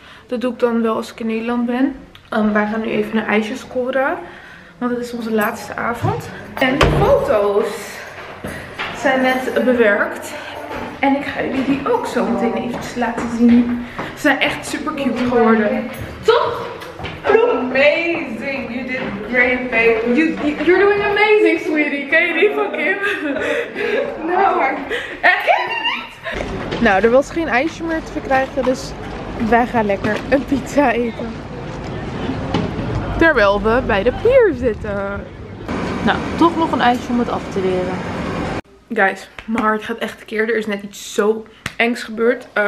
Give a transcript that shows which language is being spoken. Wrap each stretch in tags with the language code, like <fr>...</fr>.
<nl>Dat doe ik dan wel als ik in Nederland ben. Wij gaan nu even een ijsje scoren. Want het is onze laatste avond. En de foto's zijn net bewerkt. En ik ga jullie die ook zo meteen even laten zien. Ze zijn echt super cute geworden. Toch?</nl> <en>Amazing. You did great, babe. You're doing amazing, sweetie.</en> <nl>Ken je die van Kim?</nl> <en>No.</en> <nl>Echt? Ken je die niet? Nou, er was geen ijsje meer te verkrijgen. Dus wij gaan lekker een pizza eten. Terwijl we bij de pier zitten. Nou, toch nog een ijsje om het af te leren. Guys, mijn hart gaat echt tekeer. Er is net iets zo engs gebeurd.</nl>